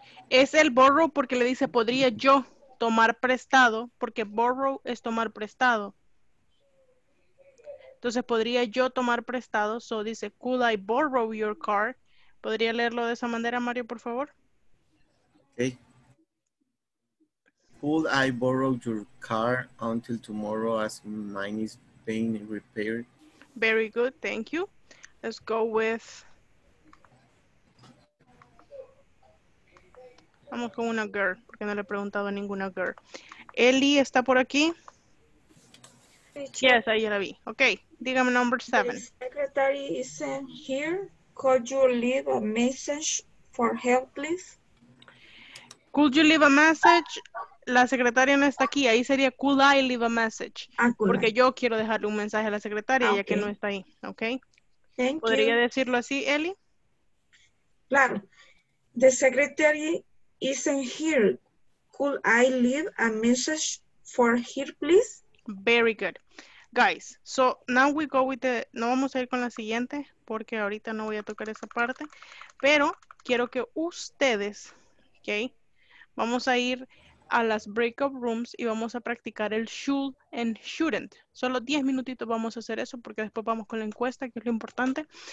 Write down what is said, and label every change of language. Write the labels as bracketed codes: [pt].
[es] Es el borrow porque le dice, podría yo tomar prestado, porque borrow es tomar prestado. Entonces, podría yo tomar prestado. So, dice, [en] could I borrow your car? [es] ¿Podría leerlo de esa manera, Mario, por favor? Okay. [en] Could I borrow your car until tomorrow as mine is being repaired? Very good. Thank you. Let's go with... [es] Vamos con una girl, porque no le he preguntado a ninguna girl. Eli, ¿está por aquí? [en] Teacher. [es] Yes, ahí ya la vi. Ok, dígame [en] number seven. The secretary isn't here. Could you leave a message for help, please? Could you leave a message? [es] La secretaria no está aquí. Ahí sería, [en] could I leave a message? [es] Porque yo quiero dejarle un mensaje a la secretaria, okay. Ya que no está ahí. Ok. [en] Thank [es] ¿Podría [en] you. [es] Decirlo así, Eli? [en] Claro. The secretary... isn't here. Could I leave a message for here, please? Very good. Guys, so now we go with the... [es] No vamos a ir con la siguiente porque ahorita no voy a tocar esa parte. Pero quiero que ustedes, ok, vamos a ir a las breakout rooms y vamos a practicar el [en] should and shouldn't. [es] Solo 10 minutitos vamos a hacer eso porque después vamos con la encuesta, que es lo importante.